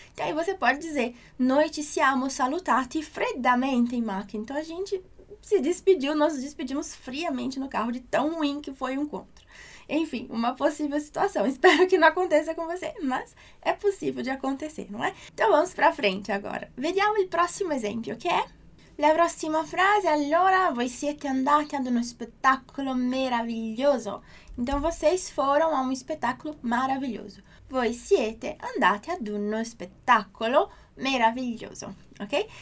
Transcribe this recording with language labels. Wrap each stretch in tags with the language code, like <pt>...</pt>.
<pt>E aí você pode dizer:</pt> <it>"Noi ci siamo salutati freddamente in macchina."</it> <pt>Então a gente se despediu, nós nos despedimos friamente no carro de tão ruim que foi o encontro. Enfim, uma possível situação. Espero que não aconteça com você, mas é possível de acontecer, não é? Então vamos para frente agora.</pt> <it>Vediamo il prossimo esempio, che è? La prossima frase: allora, voi siete andati ad uno spettacolo meraviglioso.</it> <pt>Então vocês foram a um espetáculo maravilhoso.</pt> <it>Voi siete andati ad uno spettacolo meraviglioso, ok?</it>